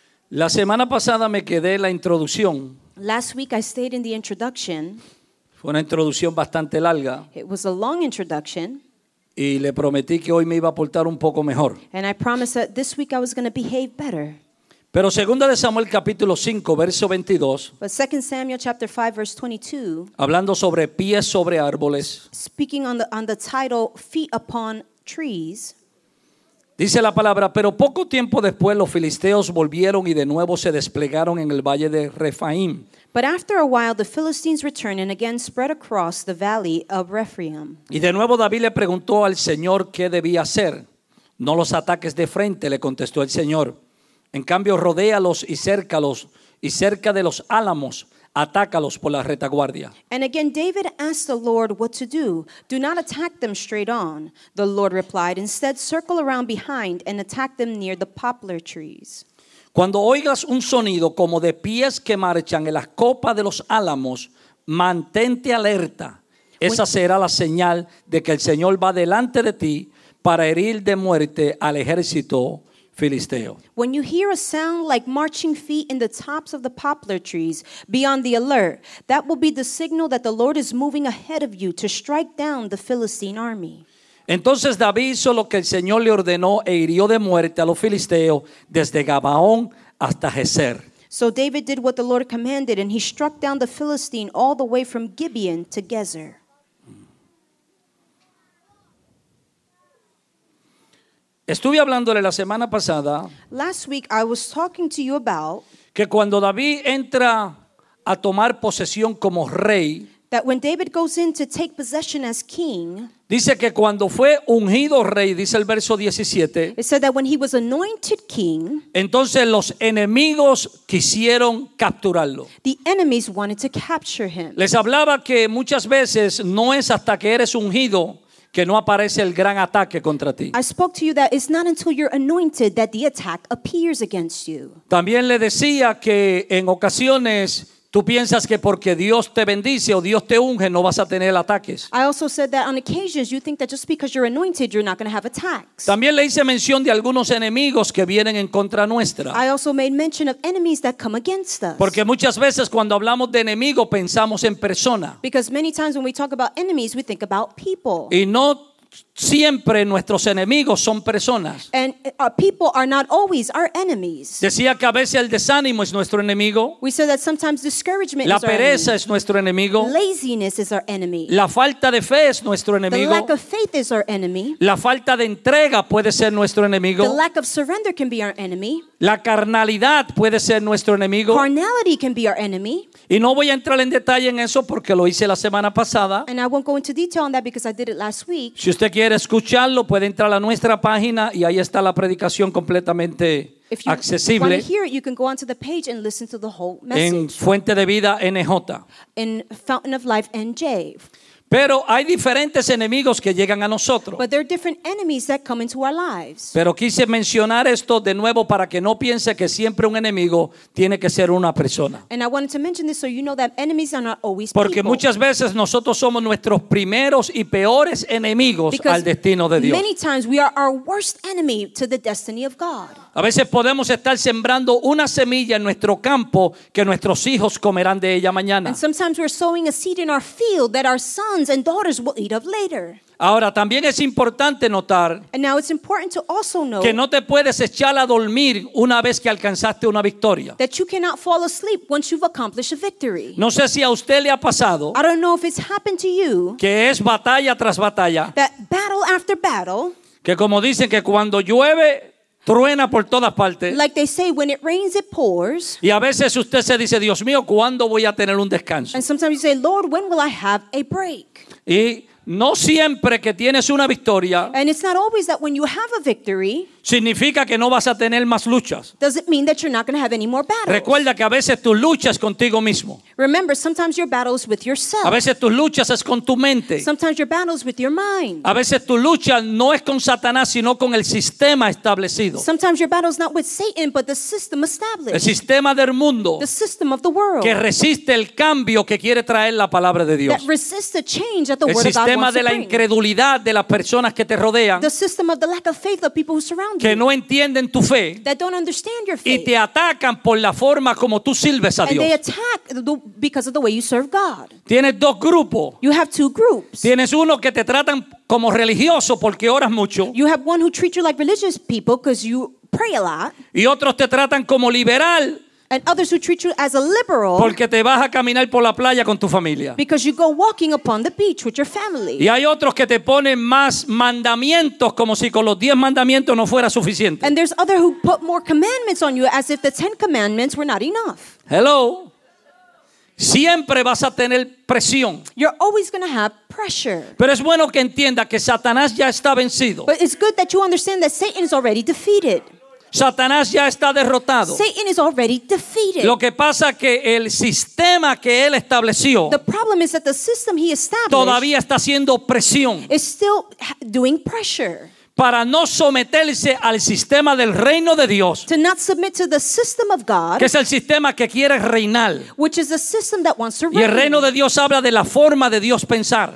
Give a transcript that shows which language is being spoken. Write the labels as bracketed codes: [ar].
[es] La semana pasada me quedé en la introducción. [en] Last week I stayed in the introduction. [es] Fue una introducción bastante larga. [en] It was a long introduction. [es] Y le prometí que hoy me iba a portar un poco mejor. [en] And I promised that this week I was going to behave better. [es] Pero 2 Samuel capítulo 5 verso 22. [en] But 2 Samuel chapter 5 verse 22. [es] Hablando sobre pies sobre árboles. [en] Speaking on the title feet upon trees. [es] Dice la palabra, pero poco tiempo después los filisteos volvieron y de nuevo se desplegaron en el valle de Rephaim. [en] But after a while the Philistines returned and again spread across the valley of Rephaim. [es] Y de nuevo David le preguntó al Señor qué debía hacer. No los ataques de frente, le contestó el Señor. En cambio, rodéalos y cércalos, y cerca de los álamos, atácalos por la retaguardia. [en] And again, David asked the Lord what to do. Do not attack them straight on. The Lord replied, instead, circle around behind and attack them near the poplar trees. [es] Cuando oigas un sonido como de pies que marchan en las copas de los álamos, mantente alerta. Esa será la señal de que el Señor va delante de ti para herir de muerte al ejército Filisteo. [en] When you hear a sound like marching feet in the tops of the poplar trees, be on the alert. That will be the signal that the Lord is moving ahead of you to strike down the Philistine army. [es] Entonces David hizo lo que el Señor le ordenó e hirió de muerte a los filisteos desde Gabaón hasta Gezer. [en] So David did what the Lord commanded, and he struck down the Philistine all the way from Gibeon to Gezer. [es] Estuve hablándole la semana pasada. [en] Last week I was talking to you about [es] que cuando David entra a tomar posesión como rey, [en] that when David goes in to take possession as king, [es] dice que cuando fue ungido rey, dice el verso 17, [en] it said that when he was anointed king, [es] entonces los enemigos quisieron capturarlo. [en] The enemies wanted to capture him. [es] Les hablaba que muchas veces no es hasta que eres ungido que no aparece el gran ataque contra ti. [en] I spoke to you that it's not until you're anointed that the attack appears against you. [es] También le decía que en ocasiones tú piensas que porque Dios te bendice o Dios te unge no vas a tener ataques. [en] I also said that on occasions you think that just because you're anointed you're not going to have attacks. [es] También le hice mención de algunos enemigos que vienen en contra nuestra. [en] I also made mention of enemies that come against us. [es] Porque muchas veces cuando hablamos de enemigo pensamos en persona. [en] Because many times when we talk about enemies we think about people. [es] Y no siempre nuestros enemigos son personas. [en] And our people are not always our enemies. [es] Decía que a veces el desánimo es nuestro enemigo. [en] We said that sometimes discouragement is our enemy. [es] La pereza es nuestro enemigo. [en] Laziness is our enemy. [es] La falta de fe es nuestro enemigo. [en] The lack of faith is our enemy. [es] La falta de entrega puede ser nuestro enemigo. [en] The lack of surrender can be our enemy. [es] La carnalidad puede ser nuestro enemigo. [en] Carnality can be our enemy. [es] Y no voy a entrar en detalle en eso porque lo hice la semana pasada. [en] And I won't go into detail on that because I did it last week. [es] Si usted quiere escucharlo, puede entrar a nuestra página y ahí está la predicación completamente accesible. [en] If you want to hear it, you can go onto the page and listen to the whole message. [es] En Fuente de Vida NJ. [en] In Fountain of Life NJ. [es] Pero hay diferentes enemigos que llegan a nosotros. [en] But there are different enemies that come into our lives. [es] Pero quise mencionar esto de nuevo para que no piense que siempre un enemigo tiene que ser una persona. [en] And I wanted to mention this so you know that enemies are not always people. [es] Porque muchas veces nosotros somos nuestros primeros y peores enemigos [en] because [es] al destino de Dios. [en] Many times we are our worst enemy to the destiny of God. [es] A veces podemos estar sembrando una semilla en nuestro campo que nuestros hijos comerán de ella mañana. [en] And sometimes we're sowing a seed in our field that our sons and daughters will eat of later. [es] Ahora, también es importante notar, [en] and now it's important to also know [es] que no te puedes echar a dormir una vez que alcanzaste una victoria. [en] That you cannot fall asleep once you've accomplished a victory. [es] No sé si a usted le ha pasado, [en] I don't know if it's happened to you, [es] que es batalla tras batalla, [en] that battle after battle, [es] que como dicen que cuando llueve truena por todas partes. [en] Like they say, when it rains, it pours. [es] Y a veces usted se dice, Dios mío, ¿cuándo voy a tener un descanso? [en] And sometimes you say, Lord, when will I have a break? [es] Y no siempre que tienes una victoria, [en] and it's not always that when you have a victory, [es] significa que no vas a tener más luchas. [en] Does it mean that you're not going to have any more battles? [es] Recuerda que a veces tu lucha es contigo mismo. [en] Remember, sometimes your battle is with yourself. [es] A veces tu lucha es con tu mente. [en] Sometimes your battle is with your mind. [es] A veces tu lucha no es con Satanás, sino con el sistema establecido. [en] Sometimes your battle is not with Satan, but the system established. [es] El sistema del mundo. [en] The system of the world. [es] Que resiste el cambio que quiere traer la palabra de Dios. [en] That resists the change that the word of God brings. [es] El sistema sistema de la incredulidad de las personas que te rodean. [en] The system of the lack of faith of people who surround you. [es] Que no entienden tu fe. [en] That don't understand your faith. [es] Y te atacan por la forma como tú sirves a Dios. [en] And they attack because of the way you serve God. [es] Tienes dos grupos. [en] You have two groups. [es] Tienes uno que te tratan como religioso porque oras mucho. [en] You have one who treat you like religious people because you pray a lot. [es] Y otros te tratan como liberal. [en] And others who treat you as a liberal. [es] Porque te vas a caminar por la playa con tu familia. [en] Because you go walking upon the beach with your family. [es] Y hay otros que te ponen más mandamientos como si con los 10 mandamientos no fuera suficiente. [en] And there's others who put more commandments on you as if the 10 commandments were not enough. [es] Hello. Siempre vas a tener presión. [en] You're always going to have pressure. [es] Pero es bueno que entienda que Satanás ya está vencido. [en] But it's good that you understand that Satan is already defeated. [es] Satanás ya está derrotado. [en] Satan is already defeated. [es] Lo que pasa que el sistema que él estableció, [en] the problem is that the system he established, [es] todavía está haciendo presión. [en] Is still doing pressure. [es] Para no someterse al sistema del reino de Dios. [en] To not submit to the system of God. [es] Que es el sistema que quiere reinar. [en] Which is the system that wants to reign. [es] Y el reino de Dios habla de la forma de Dios pensar.